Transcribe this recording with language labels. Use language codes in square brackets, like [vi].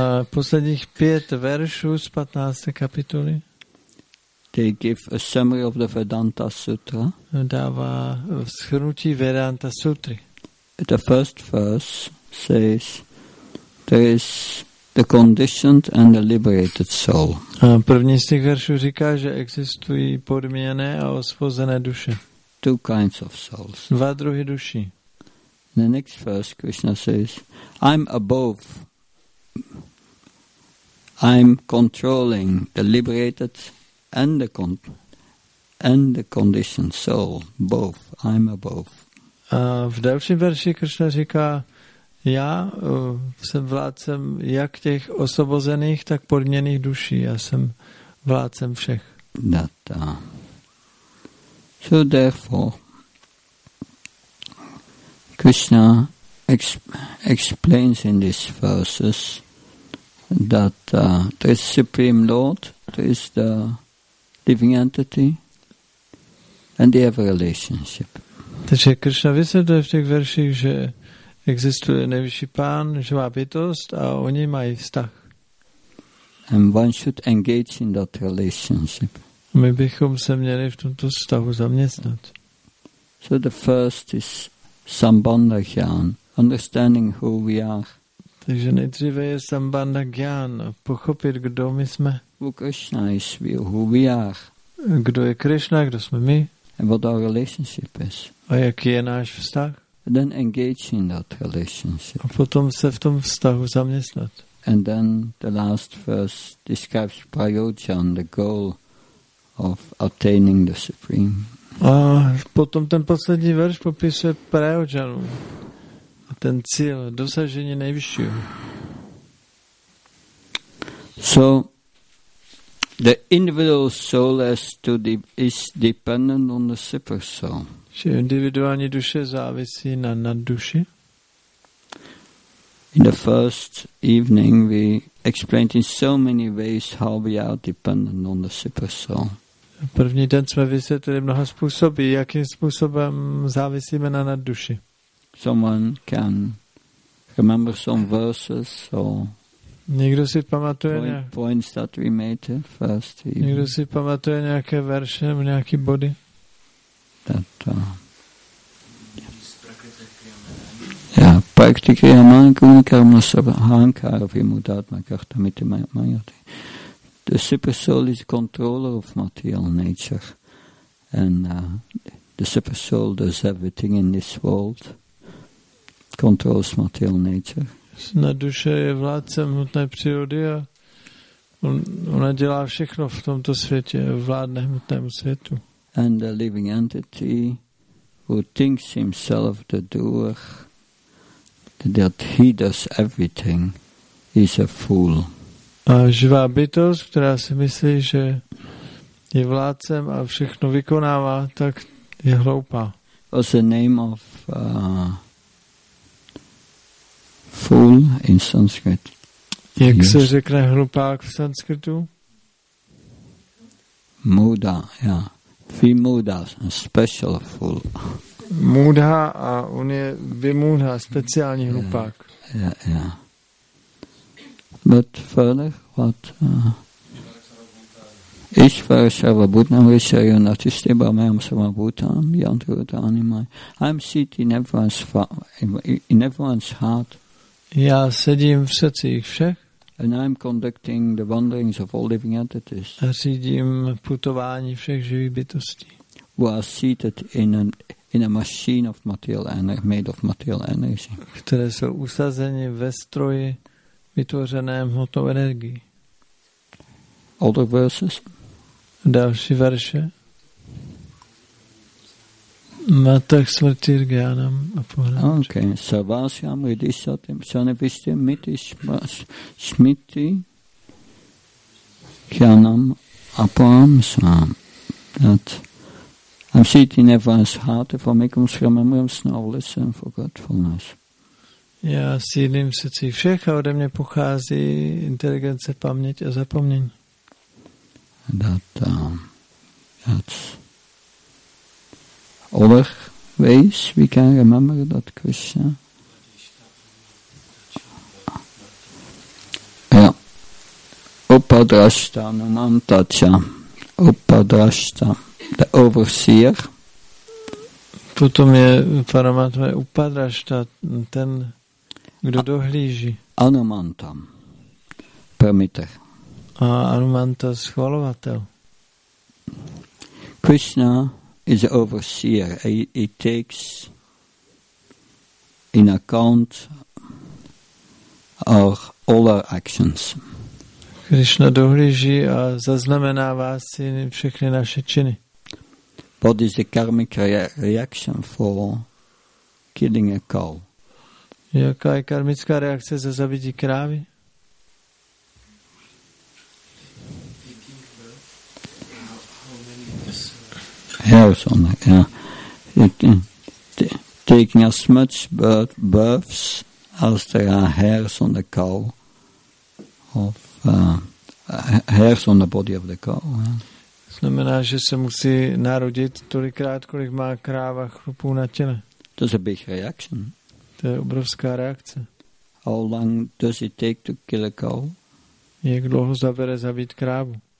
[cs] Posledních 5 veršů z 15. kapitoly. [en] They give a summary of the Vedanta Sutra. [cs] Dává shrnutí Vedanta Sutry. [en] The first verse says, there is the conditioned and the liberated soul. [cs] První z těch veršů říká, že existují podmíněné a osvobozené duše. [en] Two kinds of souls. [cs] Dva druhy duší. [en] In the next verse, Krishna says, I'm above I'm controlling the liberated and the conditioned soul, both. I'm above. [cs] A v dalším verši Krishna říká, já jsem vládcem jak těch osvobozených, tak podměných duší. Já jsem vládcem všech. [en] That, so therefore, Krishna explains in these verses that there is Supreme Lord, there is the living entity, and they have a relationship. [cs] Takže Krishna vysvětluje v těch verších, že existuje nejvyšší pán, živá bytost a oni mají vztah. [en] And one should engage in that relationship. [cs] My bychom se měli v tomto vztahu zaměstnat. [en] So the first is sambandha jnán, understanding who we are. [cs] Takže nejdříve je sambandha jnán, pochopit, kdo my jsme. [en] Who Krishna is, who we are. [cs] Kdo je Krishna, kdo jsme my. [en] And what our relationship is. [cs] A jaký je náš vztah? [en] And then engage in that relationship. [cs] A potom se v tom vztahu zaměstnat. [en] And then the last verse describes prayojan, the goal of attaining the supreme. [cs] A potom ten poslední verš popisuje prayojan, ten cíl dosažení nejvyššího. [en] So the individual soul has to is dependent on the super soul. [cs] Že individuální duše závisí na nadduši. [en] In the first evening we explained in so many ways how we are dependent on the super soul. [cs] První den jsme vysvětlili mnoha způsoby, jakým způsobem závisíme na nadduši. [en] Someone can remember some verses or [cs] někdo si pamatuje [en] points that we made first evening. [cs] Někdo si pamatuje nějaké verše, nějaký body. [en] That, yeah, [sa] praktikriya man kunikar masabhankara vimudatma kartamiti mayati. [en] The super soul is controller of material nature, and the super soul does everything in this world, controls material nature. [cs] Na duše je vládcem hmotné přírody a ona dělá všechno v tomto světě, vládne hmotnému světu. [en] And the living entity who thinks himself the doer, that he does everything, is a fool. [cs] A živá bytost, která si myslí, že je vládcem a všechno vykonává, tak je hloupá. [en] What's the name of fool in Sanskrit? [cs] Jak se řekne hlupák v sanskritu? [en] Muda, yeah. Vimudha, a special fool. [cs] Mudha a on je vimudha, speciální hlupák. [en] Yeah, yeah. But further, what? [sa] Ishvara Sarvabhutnam, Vishayana Tishtibhamayam Sarvabhutam, Yantrutanimai. [en] I'm sitting in everyone's heart. [cs] Já sedím v srdcích všech. [en] And I'm conducting the wanderings of all living entities. [cs] A řídím putování všech živých bytostí. [en] Who are seated in a machine of material energy, made of material energy. [cs] Které jsou usazeni ve stroji vytvořeném hmotnou energií. [en] Other verses. [cs] Další verše. Matak smrti rgyanam a pohledat. [en] Okay. [sa] Sarvasyam vidishatim sanivishtim miti smiti kyanam a pohledam sam. [en] That I'm sitting in everyone's heart for mikum shramamrim snowless and forgetfulness. [cs] Já sídlím v srdci všech a ode mě pochází inteligence, paměť a zapomnění. [en] That, that's other ways we can remember that Krishna. [sa] Upadrashta namantacha. Upadrashta, [en] the overseer. [cs] Potom je Paramatma Upadrashta, ten, kdo dohlíží. [en] Anumantam, permitter. [cs] A Anumanta, schvalovatel. [en] Krishna is overseer. He takes in account our all our actions. [cs] Krishna dohlíží a zaznamenává si všechny naše činy. [en] What is the karmic reaction for killing a cow? [cs] Jaká je karmická reakce za zabití krávy? [en] Hells on that, yeah. Taking as much births as there are hairs on the cow, of hairs on the body of the cow. [cs] Znamená, že se musí narodit tolikrát, kolik má kráva chrupů na těle. [en] That's a big reaction. [cs] To je obrovská reakce. [en] How long does it take to kill a cow? [cs] Jak dlouho zabere zabít krávu?